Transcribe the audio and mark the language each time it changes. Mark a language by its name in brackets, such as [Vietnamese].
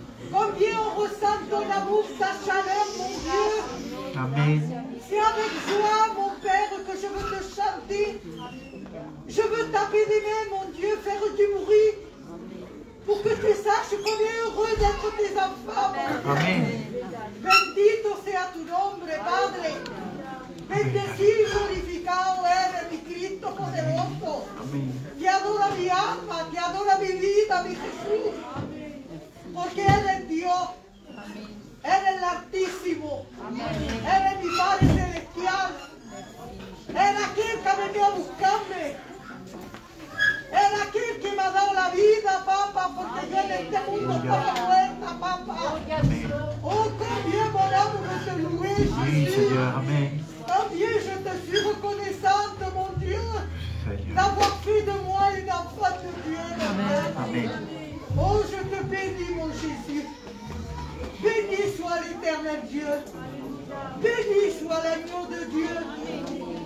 [French] Combien on ressent ton amour, ta chaleur, mon Dieu. Amen. C'est avec joie, mon Père, que je veux te chanter. Je veux taper des mains, mon Dieu, faire du bruit. Pour que tu saches qu'on est heureux d'être tes enfants, mon Dieu. Amen. [Spanish] Bendito sea tu nombre, Padre. Bendecido y glorificado eres mi Cristo poderoso. Amen. Te adora mi alma, te adora mi vida, mi Jesús. Porque eres Dios. Amén. Eres el Altísimo. Amén. Eres mi Padre Celestial. Eres aquel que me vino a buscarme. Eres aquel que me ha dado la vida, papá, porque Amén. Yo en este mundo estaba muerta, papá. [French] Oh, combien mon amour te loue, Jésus. Amén. Combien je te suis reconnaissante, mon Dieu, d'avoir fait de moi une enfant de Dieu. Amen. Amen. Oh, je te bénis, mon Jésus. Béni soit l'éternel Dieu. Béni soit l'agneau de Dieu.